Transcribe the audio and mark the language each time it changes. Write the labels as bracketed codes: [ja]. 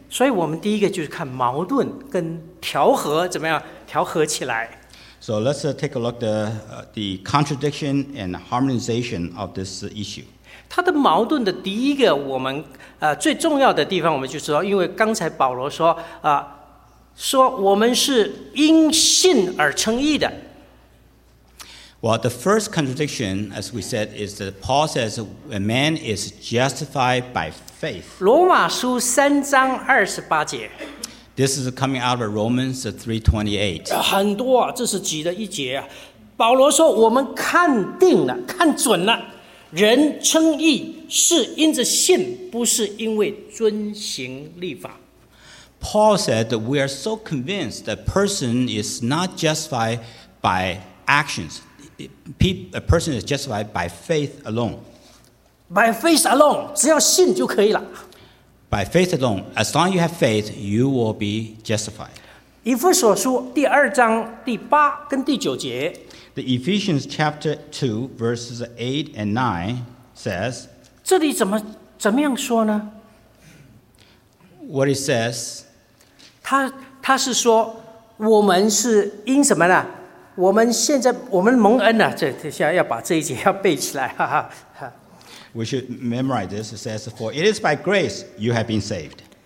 [zh] 所以我们第一个就是看矛盾跟调和怎么样调和起来。 [en] So let's take a look at the contradiction and harmonization of this issue. [zh] 它的矛盾的第一个我们最重要的地方，我们就知道，因为刚才保罗说啊。说我们是因信而称义的。 [en] Well, the first contradiction, as we said, is that Paul says a man is justified by faith. [zh] 罗马书三章二十八节。 [en] This is coming out of Romans 3:28. [zh] 很多啊，这是几的一节啊。保罗说我们看定了，看准了，人称义是因着信，不是因为遵行律法。 [en] Paul said that we are so convinced that person is not justified by actions. A person is justified by faith alone. By faith alone, [zh] 只要信就可以了。 [en] By faith alone, as long as you have faith, you will be justified. [zh] 以弗所书第二章第八跟第九节。 [en] The Ephesians chapter 2, verses 8 and 9 says, [zh] 这里怎么样说呢？ [en] What it says? [zh] 他是说我们是因什么呢？我们现在我们蒙恩啊，这等下要把这一节要背起来，哈哈。 [en] We should memorize this. It says, "For it is by grace you have been saved."